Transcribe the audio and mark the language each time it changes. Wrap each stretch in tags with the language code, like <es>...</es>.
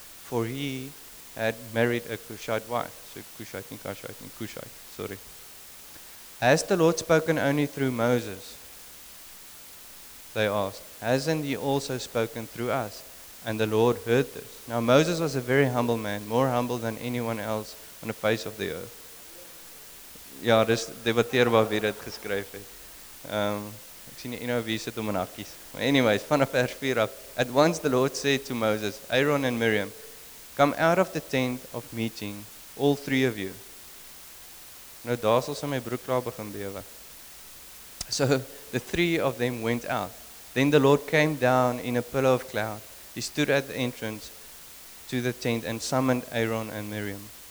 <en>For he had married a Cushite wife. So Cushite, sorry. Has the Lord spoken only through Moses? They asked. Hasn't he also spoken through us? And the Lord heard this. Now Moses was a very humble man, more humble than anyone else on the face of the earth.</en> <af>Ja, dis debatteerbaar wie dit geskryf het. Ek sien nie nou wie sit om in hakkies.</af> <en>But anyways,</en> <af>vanaf vers 4 af.</af> <en>At once the Lord said to Moses, Aaron and Miriam, come out of the tent of meeting, all three of you.</en> <af>Nou daar sal my broek klaar begin bewe.</af> <en>So the three of them went out. Then the Lord came down in a pillar of cloud. He stood at the entrance to the tent and summoned Aaron and Miriam.</en>